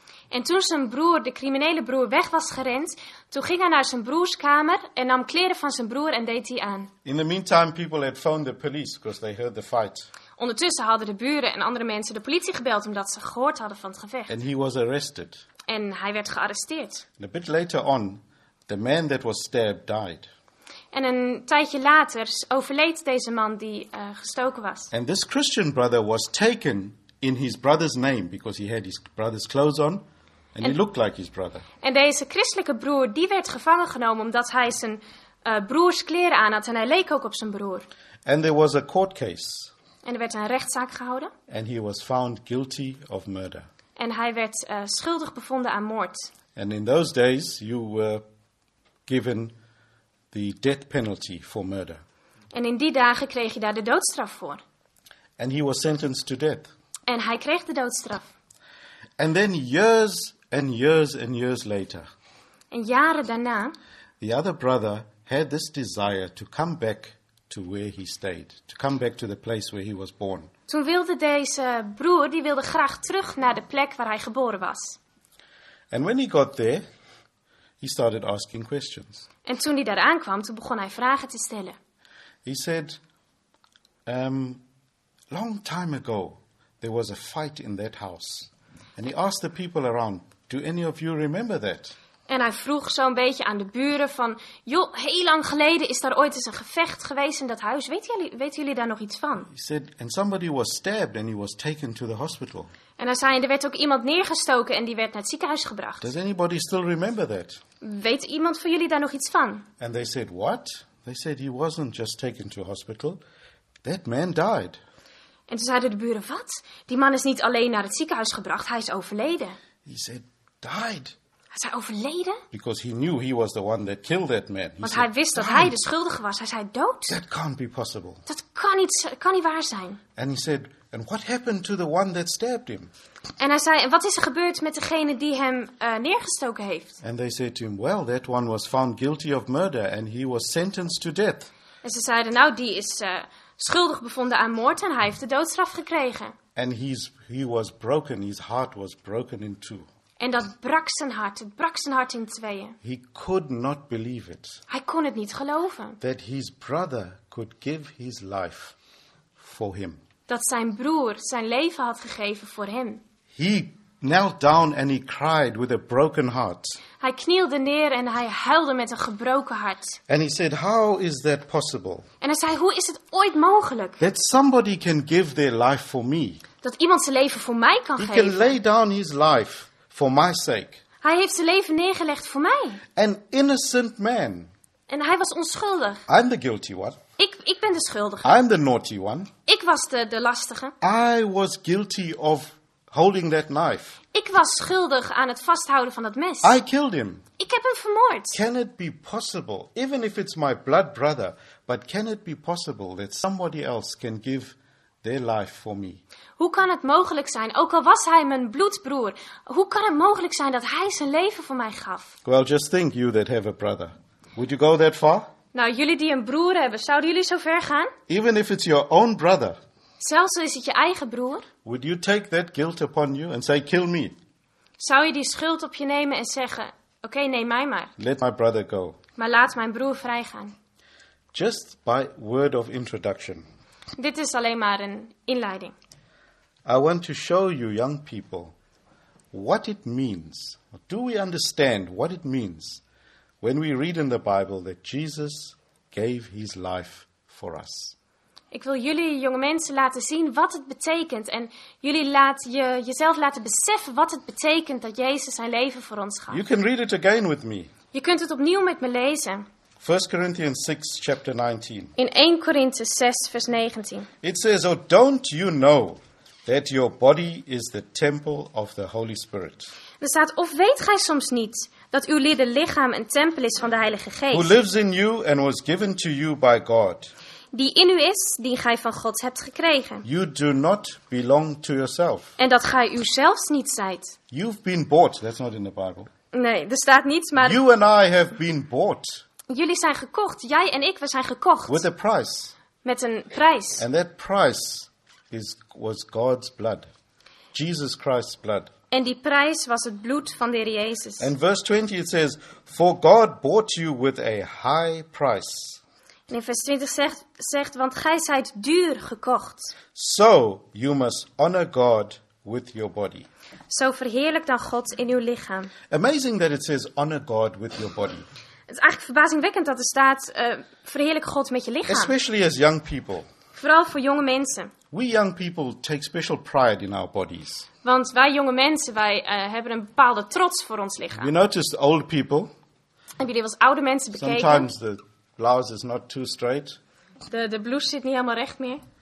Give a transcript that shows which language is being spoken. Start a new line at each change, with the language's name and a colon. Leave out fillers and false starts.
Dutch: En toen zijn broer, de criminele broer, weg was gerend, toen ging hij naar zijn broerskamer en nam kleren van zijn broer en deed die aan.
English: In the meantime, people had phoned the police because they heard the fight.
Dutch: Ondertussen hadden de buren en andere mensen de politie gebeld omdat ze gehoord hadden van het gevecht.
English: And he was arrested.
Dutch: En hij werd gearresteerd.
English: And a bit later on, the man that was stabbed died.
Dutch: En een tijdje later overleed deze man die gestoken was.
English: And this Christian brother was taken in his brother's name because he had his brother's clothes on and he looked like his brother.
Dutch: En deze christelijke broer die werd gevangen genomen omdat hij zijn broers kleren aan had en hij leek ook op zijn broer.
English: And there was a court case.
Dutch: En er werd een rechtszaak gehouden.
English: And he was found guilty of murder.
Dutch: En hij werd schuldig bevonden aan moord.
English: And in those days you were given the death penalty for murder.
Dutch: En in die dagen kreeg je daar de doodstraf voor.
English: And he was sentenced to death.
Dutch: En hij kreeg de doodstraf.
English: And then years and years and years later.
Dutch: En jaren daarna.
English: The other brother had this desire to come back. To where he stayed, to come back to the place where he was born.
Dutch: Toen wilde deze broer, die wilde graag terug naar de plek waar hij geboren was.
English: And when he got there, he started asking questions.
Dutch: En toen hij daar aankwam, toen begon hij vragen te stellen.
English: He said, long time ago, there was a fight in that house. And he asked the people around, do any of you remember that?
Dutch: En hij vroeg zo'n beetje aan de buren van, joh, heel lang geleden is daar ooit eens een gevecht geweest in dat huis. Weten jullie daar nog iets van?
English: He said, and somebody was stabbed and he was taken to the hospital.
Dutch: En hij zei, er werd ook iemand neergestoken en die werd naar het ziekenhuis gebracht.
English: Does anybody still remember that?
Dutch: Weet iemand van jullie daar nog iets van?
English: And they said, what? They said, he wasn't just taken to a hospital. That man died.
Dutch: En toen zeiden de buren, wat? Die man is niet alleen naar het ziekenhuis gebracht, hij is overleden.
English: He said, died.
Dutch: Is hij overleden?
English: Because he knew he was the one that killed that man.
Dutch: Want hij wist dat hij de schuldige was. Hij zei dood.
English: That can't be possible.
Dutch: Dat kan niet waar zijn.
English: And he said, and what happened to the one that stabbed him?
Dutch: En hij zei, wat is er gebeurd met degene die hem neergestoken heeft?
English: And they said to him, well, that one was found guilty of murder and he was sentenced to death.
Dutch: En ze zeiden, nou, die is schuldig bevonden aan moord en hij heeft de doodstraf gekregen.
English: And he was broken. His heart was broken in two.
Dutch: En dat brak zijn hart. Het brak zijn hart in tweeën.
English: He could not believe it.
Dutch: Hij kon het niet geloven.
English: That his brother could give his life for him.
Dutch: Dat zijn broer zijn leven had gegeven voor hem.
English: He knelt down and he cried with a broken heart.
Dutch: Hij knielde neer en hij huilde met een gebroken hart.
English: And he said, how is that possible?
Dutch: En hij zei, hoe is het ooit mogelijk?
English: That somebody can give their life for me.
Dutch: Dat iemand zijn leven voor mij kan he geven.
English: He can lay down his life for my sake.
Dutch: Hij heeft zijn leven neergelegd voor mij.
English: An innocent man.
Dutch: En hij was onschuldig.
English: I'm the guilty one.
Dutch: Ik ben de schuldige.
English: I'm the naughty one.
Dutch: Ik was de lastige.
English: I was guilty of holding that knife.
Dutch: Ik was schuldig aan het vasthouden van dat mes.
English: I killed him.
Dutch: Ik heb hem vermoord.
English: Can it be possible, even if it's my blood brother, but can it be possible that somebody else can give their life for me?
Dutch: Hoe kan het mogelijk zijn, ook al was hij mijn bloedbroer, hoe kan het mogelijk zijn dat hij zijn leven voor mij gaf?
English: Well, just think, you that have a brother. Would you go that far?
Dutch: Nou, jullie die een broer hebben, zouden jullie zo ver gaan?
English: Even if it's your own brother.
Dutch: Zelfs al is het je eigen broer.
English: Would you take that guilt upon you and say, kill me?
Dutch: Zou je die schuld op je nemen en zeggen, oké, neem mij maar.
English: Let my brother go.
Dutch: Maar laat mijn broer vrijgaan.
English: Just by word of introduction.
Dutch: Dit is alleen maar een inleiding.
English: I want to show you young people what it means. Do we understand what it means when we read in the Bible that Jesus gave his life for us?
Dutch: Ik wil jullie jonge mensen laten zien wat het betekent. En jullie jezelf laten beseffen wat het betekent dat Jezus zijn leven voor ons gaf.
English: You can read it again with me.
Dutch: Je kunt het opnieuw met me lezen.
English: 1 Corinthians 6, chapter 19.
Dutch: In 1 Corinthe 6, vers 19.
English: It says, oh, don't you know that your body is the temple of the Holy Spirit?
Dutch: Er staat, of weet gij soms niet dat uw lichaam een tempel is van de Heilige Geest?
English: Who lives in you and was given to you by God.
Dutch: Die in u is, die gij van God hebt gekregen.
English: You do not belong to yourself.
Dutch: En dat gij u zelfs niet zijt.
English: You've been bought. That's not in the Bible.
Dutch: Nee, er staat niet, maar
English: you and I have been bought.
Dutch: Jullie zijn gekocht. Jij en ik, we zijn gekocht.
English: With a price.
Dutch: Met een prijs.
English: And that price was God's blood. Jesus Christ's blood.
Dutch: En die prijs was het bloed van de Heer Jezus.
English: And verse 20 it says, for God bought you with a high price.
Dutch: En in vers 20 zegt, want gij zijt duur gekocht.
English: So you must honor God with your body.
Dutch: Zo verheerlijk dan God in uw lichaam.
English: Amazing that it says honor God with your body.
Dutch: Het is eigenlijk verbazingwekkend dat er staat, verheerlijk God met je lichaam.
English: Especially as young people.
Dutch: Vooral voor jonge mensen.
English: We young people take special pride in our bodies.
Dutch: Want wij jonge mensen, wij hebben een bepaalde trots voor ons lichaam.
English: You notice old people.
Dutch: Hebben jullie als oude mensen bekeken?
English: Sometimes the blouse is not too straight.
Dutch: De blouse zit niet helemaal recht meer.